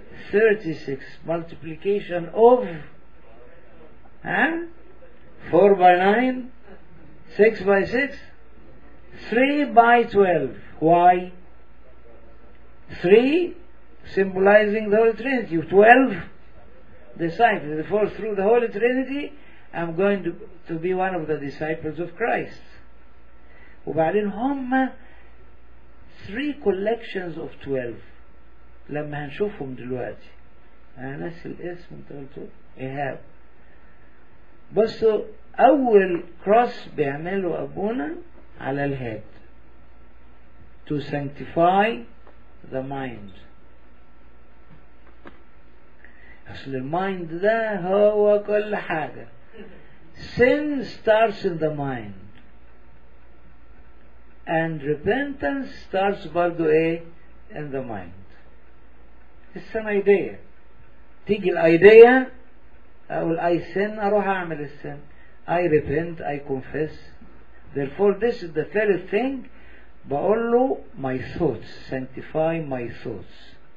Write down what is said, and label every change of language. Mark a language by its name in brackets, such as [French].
[English] 36 multiplication of 4 by 9 6 by 6 3 by 12. Why? 3 symbolizing the Holy Trinity, 12 disciples. Therefore through the Holy Trinity I'm going to be one of the disciples of Christ. [Arabic] وبعدين هم 3 [English] collections of 12 [Arabic] لما هنشوفهم دلوقتي. أنا ناسي الاسم انت قلته إيهاب. بصوا أول cross بيعمله أبونا على الهيد [English] to sanctify the mind. [Arabic] أصل المايند ده هو كل حاجة. [English] Sin starts in the mind, and repentance starts برضو in the mind. It's an idea. [Arabic] تيجي الايديا أقول [English] I sin, [Arabic] أروح أعمل السن. [English] I repent, I confess. Therefore this is the third thing. [Arabic] بقول له [English] my thoughts, sanctify my thoughts.